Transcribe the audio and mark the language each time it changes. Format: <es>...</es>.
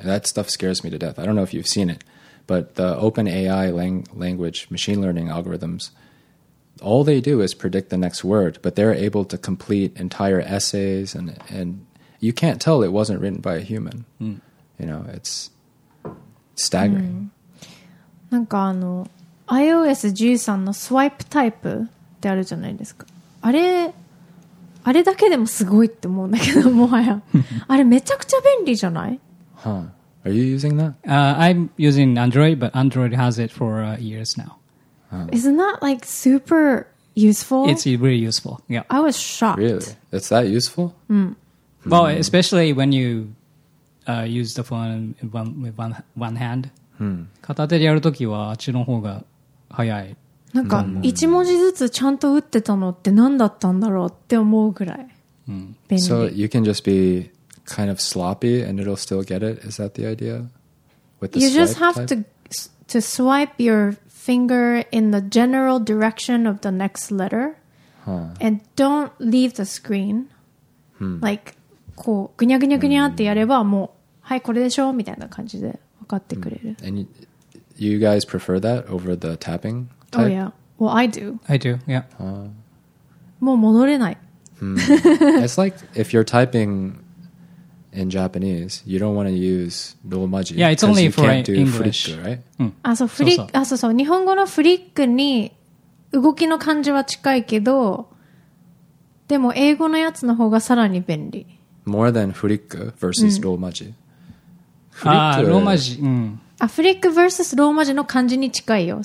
<en>That stuff scares me to death. I don't know if you've seen it, but the OpenAI language machine learning algorithms, all they do is predict the next word, but they're able to complete entire essays, and you can't tell it wasn't written by a human. You know, it's staggering.</en> <ja>なんかiOS 13のスワイプタイプってあるじゃないですか。あれだけでもすごいって思うんだけど、もはや。あれめちゃくちゃ便利じゃない？</ja> <en>Are you using that? I'm using Android, but Android has it for years now. Isn't that like super useful? It's really useful. Yeah. I was shocked. Really? It's that useful? Well, especially when you use the phone with one hand.</en> <ja>片手でやるときはあっちの方が早い。</ja> <en>なんか一文字ずつちゃんと打ってたのって何だったんだろうって思うぐらい便利。 So you can just be kind of sloppy and it'll still get it. Is that the idea? With the you just have to swipe your finger in the general direction of the next letter. Huh. And don't leave the screen. Hmm.</en> <ja>Like, こうぐにゃぐにゃぐにゃってやればもう、はいこれでしょみたいな感じで分かってくれる。</ja> <en>And you guys prefer that over the tapping type? Oh yeah. Well, I do. I do. Yeah.</en> <ja>もう戻れない。 Hmm.</ja> <en>It's like if you're typing in Japanese, you don't want to use romaji. Yeah, it's only for English, right?</en> <ja>あ、そう、フリック、あ、そうそう。日本語のフリックに動きの感じは近いけど、でも英語のやつの方がさらに便利。</ja> <en>More than フリック versus romaji. Romaji.</en> <ja>あ、フリック versus romaji の感じに近いよ。</ja>